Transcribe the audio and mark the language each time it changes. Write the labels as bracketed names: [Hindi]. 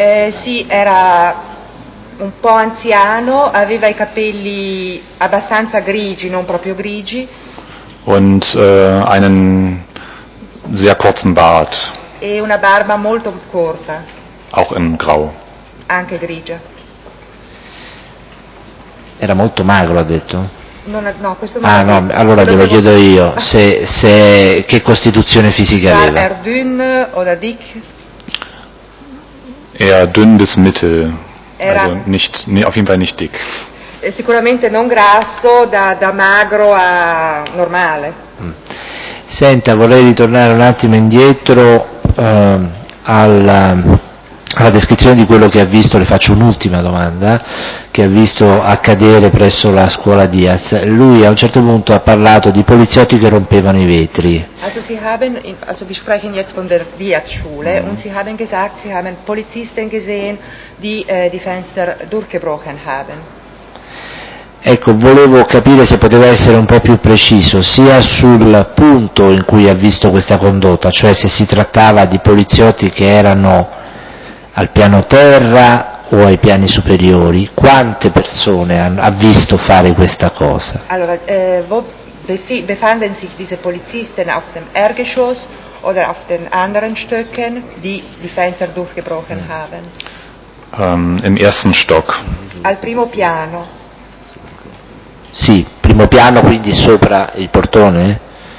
[Italian] Sì, era un po' anziano, aveva i capelli abbastanza grigi, non proprio grigi. [German] Und einen sehr kurzen Bart. [Italian] E una barba molto corta. [German] Auch in grau. [Italian] Anche grigia. Era molto magro, ha detto. No, allora glielo chiedo io se che costituzione fisica aveva. [German] Er dünn oder dick? Er dünn bis mittel. Era also nicht, auf jeden Fall nicht dick. [Italian] Sicuramente non grasso, da magro a normale. Senta, vorrei ritornare un attimo indietro alla descrizione di quello che ha visto. Le faccio un'ultima domanda che ha visto accadere presso la scuola Diaz. Lui a un certo punto ha parlato di poliziotti che rompevano i vetri. [German] Also sie haben, also wir sprechen jetzt von der Diaz Schule und sie haben gesagt, sie haben Polizisten gesehen, die die Fenster durchgebrochen haben. [Italian] Ecco, volevo capire se poteva essere un po' più preciso, sia sul punto in cui ha visto questa condotta, cioè se si trattava di poliziotti che erano al piano terra o ai piani superiori, quante persone ha visto fare questa cosa? [German] Allora, befanden sich diese Polizisten auf dem Erdgeschoss oder auf den anderen Stöcken, die Fenster durchgebrochen haben? Im ersten Stock. [Italian] Al primo piano. Sì, primo piano, quindi sopra il portone?